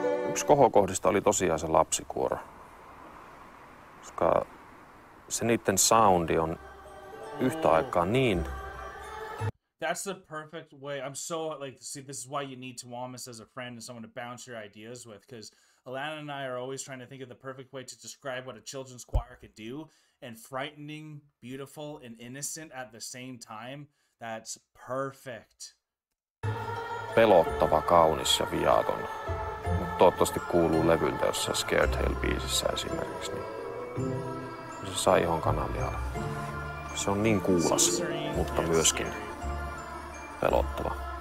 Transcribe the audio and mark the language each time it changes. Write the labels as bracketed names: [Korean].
[Finnish] Yksi kohokohdista oli tosiaan se lapsikuoro, koska se niiden soundi on yhtä aikaa niin. [English] That's the perfect way. I'm so like, see, this is why you need Tuamus as a friend and someone to bounce your ideas with, because Alanna and I are always trying to think of the perfect way to describe what a children's choir could do, and frightening, beautiful, and innocent at the same time. That's perfect. [Finnish] Pelottava, kaunis ja viaton. Mut toivottavasti kuuluu levyltä, jos se Scared Hell-biisissä esimerkiksi, niin se sai ihan kanalialle. Se on niin kuulas, mutta myöskin pelottava.